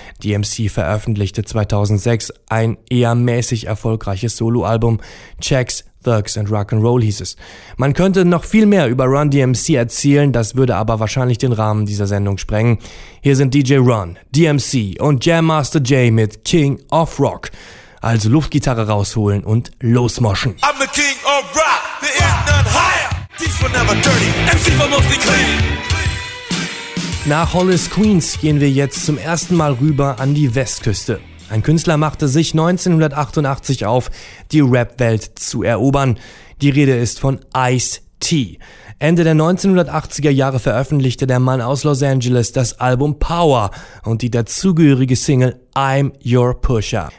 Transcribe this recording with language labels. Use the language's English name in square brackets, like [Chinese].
[German] DMC veröffentlichte 2006 ein eher mäßig erfolgreiches Soloalbum, Checks, Thugs and Rock'n'Roll hieß es. Man könnte noch viel mehr über Run DMC erzählen, das würde aber wahrscheinlich den Rahmen dieser Sendung sprengen. Hier sind DJ Run, DMC und Jam Master Jay mit King of Rock. Also Luftgitarre rausholen und losmoschen. [English] I'm the King of Rock, there is none higher. These were never dirty, MC were mostly clean. [German] Nach Hollis Queens gehen wir jetzt zum ersten Mal rüber an die Westküste. Ein Künstler machte sich 1988 auf, die Rap-Welt zu erobern. Die Rede ist von Ice T. Ende der 1980er Jahre veröffentlichte der Mann aus Los Angeles das Album Power und die dazugehörige Single I'm Your Pusher.